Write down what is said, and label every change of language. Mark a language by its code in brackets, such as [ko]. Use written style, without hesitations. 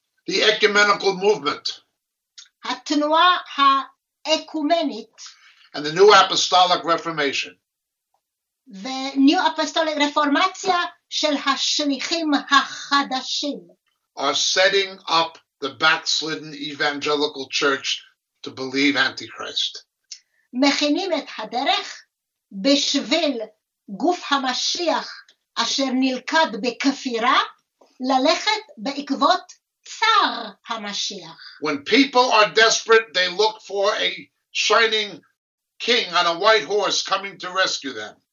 [en] the ecumenical movement, [he] התנועה האקומנית, [en] and the new apostolic reformation, [he] ו- [en] new apostolic reformatia [he] של השליחים החדשים, [en] are setting up the backslidden evangelical church to believe Antichrist. [he] מכינים את הדרך בשביל גוף המשיח אשר נלכד בכפירה ללכת בעקבות צר המשיח. [en] When people are desperate, they look for a shining king on a white horse coming to rescue them.